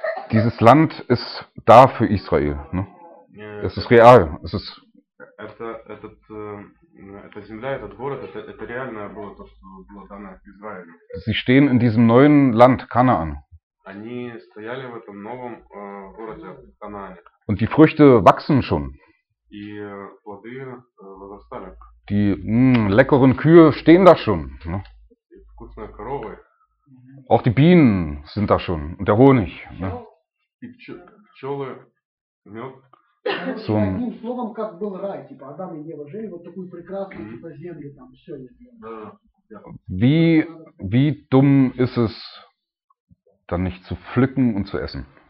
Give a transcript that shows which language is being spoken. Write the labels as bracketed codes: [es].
[de] Dieses Land ist da für Israel, ne? Es ist real, es ist. [ru] Эта земля, этот город, это реально было то, что было дано Израилю. [de] Sie stehen in diesem neuen Land Kanaan. [ru] Они стояли в этом новом городе Канаане. [de] Und die Früchte wachsen schon. [ru] И плоды возрастали. [de] Die leckeren Kühe stehen da schon. Ne? Die [ru] вкусные коровы. [de] Auch die Bienen sind da schon und der Honig. Ne? [ru] И пчелы, мед. Одним словом, как был рай, типа Адам и Ева жили, вот такую прекрасную, типа землю там, все. [de] Wie dumm ist es, dann nicht zu pflücken und zu essen?